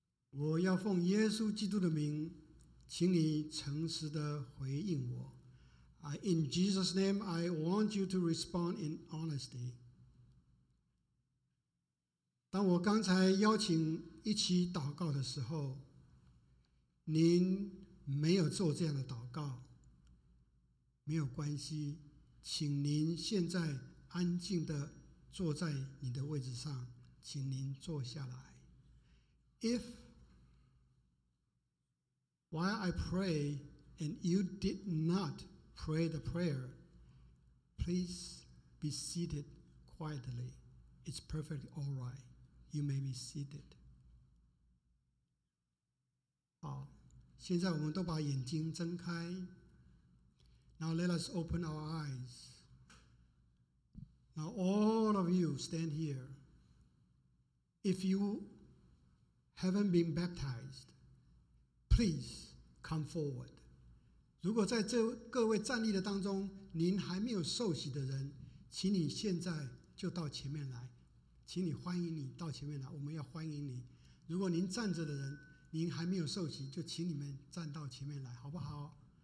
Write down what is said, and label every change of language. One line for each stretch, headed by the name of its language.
Chinese: 我要奉耶稣基督的名，请你诚实的回应我。
English: In Jesus' name, I want you to respond in honesty.
Chinese: 当我刚才邀请一起祷告的时候，您没有做这样的祷告，没有关系。请您现在安静地坐在你的位置上，请您坐下来。
English: If while I pray and you did not pray the prayer, please be seated quietly. It's perfectly all right. You may be seated.
Chinese: 好，现在我们都把眼睛睁开。
English: Now let us open our eyes. Now all of you stand here. If you haven't been baptized, please come forward.
Chinese: 如果在这各位站立的当中，您还没有受洗的人，请你现在就到前面来。请你欢迎你到前面来，我们要欢迎你。如果您站着的人，您还没有受洗，就请你们站到前面来，好不好？